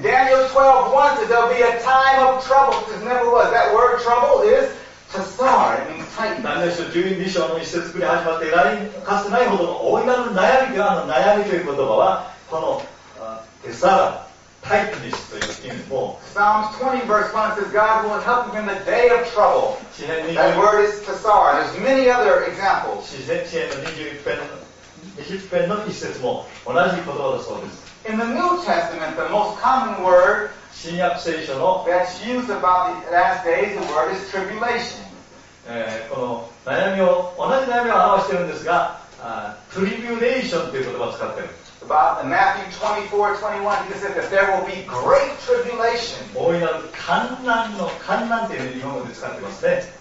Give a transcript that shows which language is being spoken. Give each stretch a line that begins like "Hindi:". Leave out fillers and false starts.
English: Daniel 12:1 says there'll be a time of trouble. This never was. That word trouble is tessar. It means tightness.
Japanese: ダニエル書12章の一節から始まって、ラインかつてないほどの大いなる悩みという悩みという言葉は、このTessara, tightness という意味も。
English: Psalms 20 verse 1 says God will help him in the day of trouble. That word is tessara. There's many other examples.
Japanese: 詩編の21編の一節も同じ言葉だそうです。
English: In the New Testament, the most common word
Japanese: 新約聖書の
English: that's used about the last days, the word is tribulation.
Japanese: この悩みを、同じ悩みを表しているんですが、tribulation という言葉を使っている。
English: About in Matthew 24:21, he said that there will be great tribulation.
Japanese: 大いなる患難の患難という日本語で使ってますね。